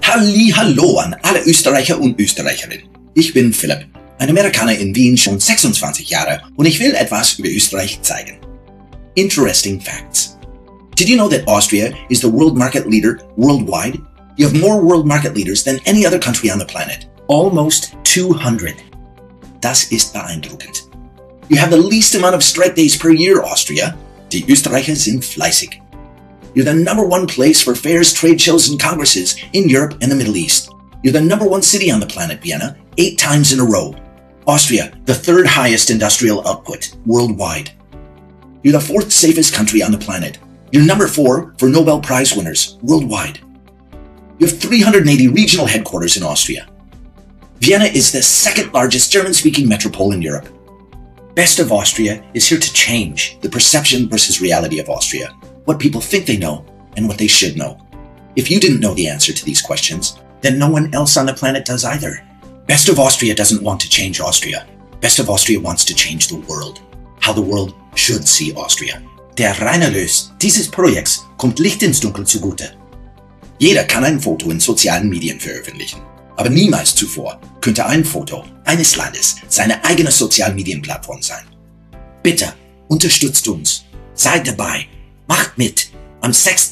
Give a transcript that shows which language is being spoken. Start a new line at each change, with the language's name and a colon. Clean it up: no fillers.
German: Hallihallo an alle Österreicher und Österreicherinnen. Ich bin Philipp, ein Amerikaner in Wien schon 26 Jahre und ich will etwas über Österreich zeigen.
English: Interesting facts. Did you know that Austria is the world market leader worldwide? You have more world market leaders than any other country on the planet. Almost 200.
German: Das ist beeindruckend.
English: You have the least amount of strike days per year, Austria.
German: Die Österreicher sind fleißig.
English: You're the number one place for fairs, trade shows, and congresses in Europe and the Middle East. You're the number one city on the planet, Vienna, 8 times in a row. Austria, the third highest industrial output worldwide. You're the fourth safest country on the planet. You're number four for Nobel Prize winners worldwide. You have 380 regional headquarters in Austria. Vienna is the second largest German-speaking metropole in Europe. Best of Austria is here to change the perception versus reality of Austria. What people think they know and what they should know. If you didn't know the answer to these questions, then no one else on the planet does either. Best of Austria doesn't want to change Austria. Best of Austria wants to change the world. How the world should see Austria.
German: Der Reinerlös dieses Projekts kommt Licht ins Dunkel zugute. Jeder kann ein Foto in sozialen Medien veröffentlichen. Aber niemals zuvor könnte ein Foto eines Landes seine eigene Sozialmedienplattform sein. Bitte unterstützt uns. Seid dabei. Macht mit! Am 6.